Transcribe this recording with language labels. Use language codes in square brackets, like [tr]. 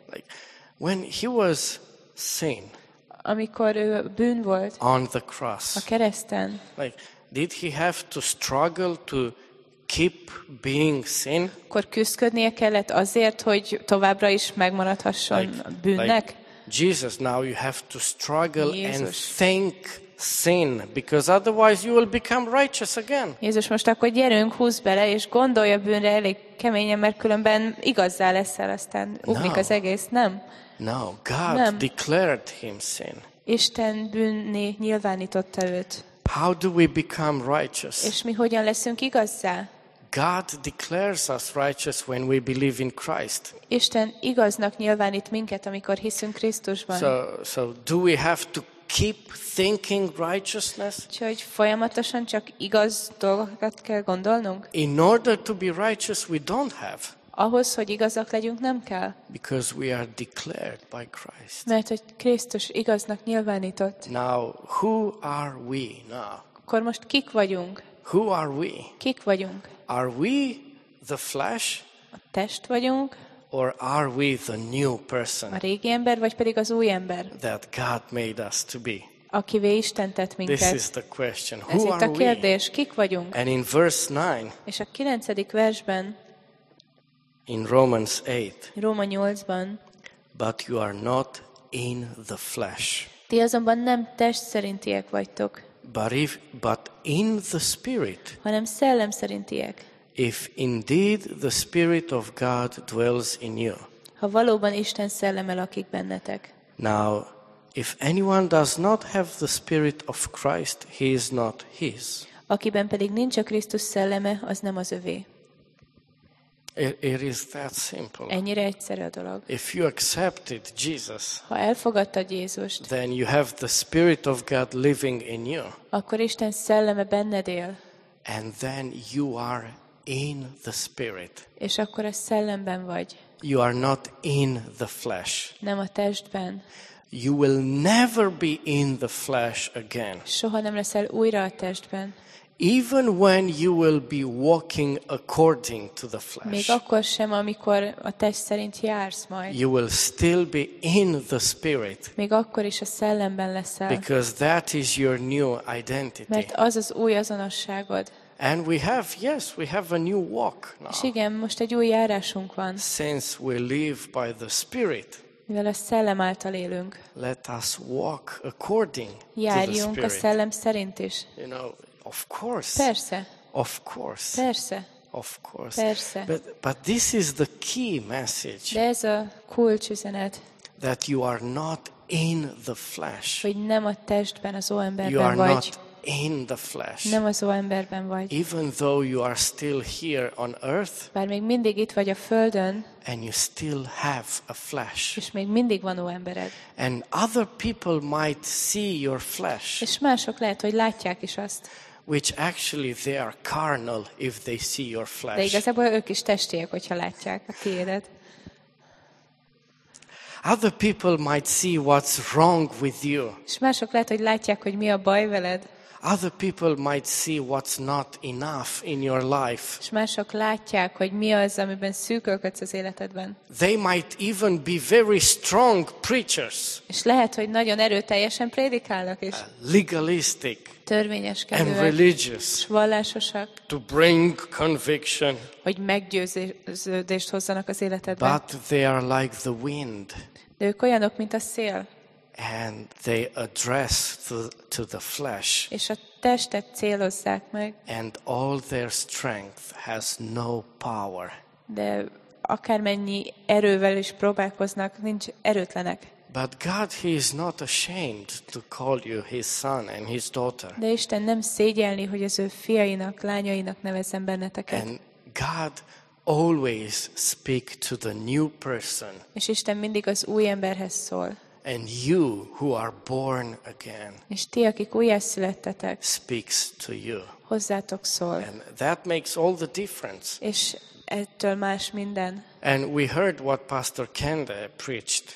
[en] Like, when he was sin. [hu] Amikor ő bűn volt. [en] On the cross. [hu] A kereszten. [en] Like, did he have to struggle to keep being sin? [hu] Akkor küzdködnie kellett azért, hogy továbbra is megmaradhasson like, bűnnek? [en] Like Jesus, now you have to struggle Jézus. And think sin, because otherwise you will become righteous again. [hu] Jézus, most akkor gyerünk, húzd bele, és gondolj a bűnre elég keményen, mert különben igazzá leszel, aztán ugrik az egész, nem? [en] No, God [hu] nem. [en] Declared him sin. [hu] Isten bűnné nyilvánította őt. [en] How do we become righteous? [hu] És mi hogyan leszünk igazzá? [en] God declares us righteous when we believe in Christ. [hu] Isten igaznak nyilvánít minket, amikor hiszünk Krisztusban. [en] So do we have to keep thinking righteousness? [hu] Csak folyamatosan csak igaz dolgokat kell gondolnunk? [en] In order to be righteous, we don't have. [hu] Ahhoz, hogy igazak legyünk, nem kell. [en] Because we are declared by Christ. [hu] Mert hogy Krisztus igaznak nyilvánított. [en] Now, who are we now? [hu] Akkor most kik vagyunk? [en] Who are we? [hu] Kik vagyunk? [en] Are we the flesh? [hu] A test vagyunk? [en] Or are we the new person? [hu] A régi ember, vagy pedig az új ember? [en] That God made us to be. [hu] Akivé Isten tett minket. [en] This is the question. Who are we? [hu] Ez itt a kérdés. Kik vagyunk? [en] And in verse 9. [hu] És a 9. versben. [en] In Romans 8. [hu] Róma 8-ban. [en] But you are not in the flesh. [hu] Ti azonban nem test szerintiek vagytok. [en] But in the spirit. [hu] Hanem szellem szerintiek. [en] If indeed the spirit of God dwells in you. [hu] Ha valóban Isten szelleme lakik bennetek. [en] Now, if anyone does not have the spirit of Christ, he is not his. [hu] Akiben pedig nincs a Krisztus szelleme, az nem az övé. [en] It is that simple. [hu] Ennyire egyszerű a dolog. [en] If you accepted Jesus, [hu] ha elfogadtad Jézust, [en] then you have the Spirit of God living in you. [hu] Akkor Isten szelleme benned él. [en] And then you are in the Spirit. [hu] És akkor a szellemben vagy. [en] You are not in the flesh. [hu] Nem a testben. [en] You will never be in the flesh again. [hu] Soha nem leszel újra a testben. [en] Even when you will be walking according to the flesh. [hu] Még akkor sem, amikor a test szerint jársz majd. [en] You will still be in the spirit. [hu] Még akkor is a szellemben leszel. [en] Because that is your new identity. [hu] Mert az az új azonosságod. [en] And we have a new walk now. [hu] És igen, most egy új járásunk van. [en] Since we live by the spirit. [hu] Mivel a szellem által élünk. [en] Let us walk according to the spirit. [hu] Járjunk a szellem szerint is. [en] You know, of course. [hu] Persze. [en] Of course. [hu] Persze. [en] Of course. [hu] Persze. [en] But this is the key message. [hu] De ez a kulcsüzenet. [en] That you are not in the flesh. [hu] Hogy nem a testben, az óemberben vagy. [en] You are not in the flesh. [hu] Nem az óemberben vagy. [en] Even though you are still here on earth. [hu] Bár még mindig itt vagy a földön. [en] And you still have a flesh. [hu] És még mindig van óembered. [en] And other people might see your flesh. [hu] És mások lehet, hogy látják is azt. [en] Which actually they are carnal if they see your flesh. [hu] De igazából ők is testiek, hogyha látják a tiédet. [en] Other people might see what's wrong with you. [hu] És mások lehet, hogy látják, hogy mi a baj veled. [en] Other people might see what's not enough in your life. [hu] És mások látják, hogy mi az, amiben szűkölködsz az életedben. [en] They might even be very strong preachers. [hu] És lehet, hogy nagyon erőteljesen prédikálnak is. [en] Legalistic. [hu] Törvényeskedők. [en] And religious. [hu] És vallásosak. [en] To bring conviction. [hu] Hogy meggyőződést hozzanak az életedben. [en] But they are like the wind. [hu] De ők olyanok, mint a szél. [en] And they address to the flesh. [hu] És a testet célozzák meg. [en] And all their strength has no power. [hu] De akármennyi erővel is próbálkoznak, nincs erőtlenek. [en] But God, he is not ashamed to call you his son and his daughter. [hu] De Isten nem szégyelni, hogy az ő fiainak, lányainak nevezzen benneteket. [en] And God always speak to the new person. [hu] És Isten mindig az új emberhez szól. [en] And you who are born again. [hu] És ti, akik újjászülettetek. [en] Speaks to you. [hu] Hozzátok szól. [en] And that makes all the difference. [hu] És ettől más minden. [en] And we heard what Pastor Kende preached.